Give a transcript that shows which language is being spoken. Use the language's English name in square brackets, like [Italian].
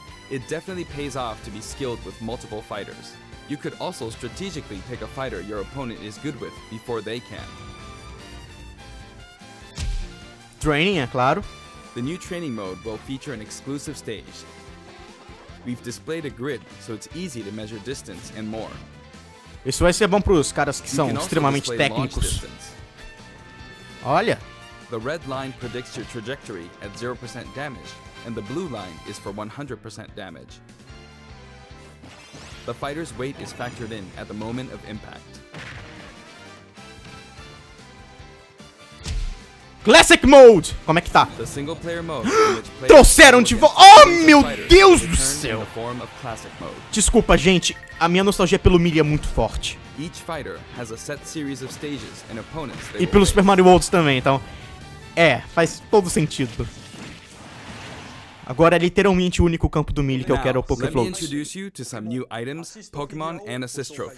[English] It definitely pays off to be skilled with multiple fighters. You could also strategically pick a fighter your opponent is good with before they can. [Portuguese] Training, é claro. [English] The new training mode will feature an exclusive stage. We've displayed a grid, so it's easy to measure distance and more. [Portuguese] Isso vai ser bom para os caras que são extremamente técnicos. Olha! [English] The red line predicts your trajectory at 0% damage, and the blue line is for 100% damage. The fighter's weight is factored in at the moment of impact. [Portuguese] Classic Mode! Como é que tá? [English] The single player mode, [Portuguese] trouxeram de volta! Oh, meu Deus do céu! Desculpa, gente. A minha nostalgia pelo Melee é muito forte. [English] Each fighter has a set series of stages and opponents. [Portuguese] E pelo Super Mario World também, então. É, faz todo sentido. Agora é literalmente o único campo do Melee que eu quero, o Pokéflow. [English] Introduce you to some new items, Pokémon and assist trophies.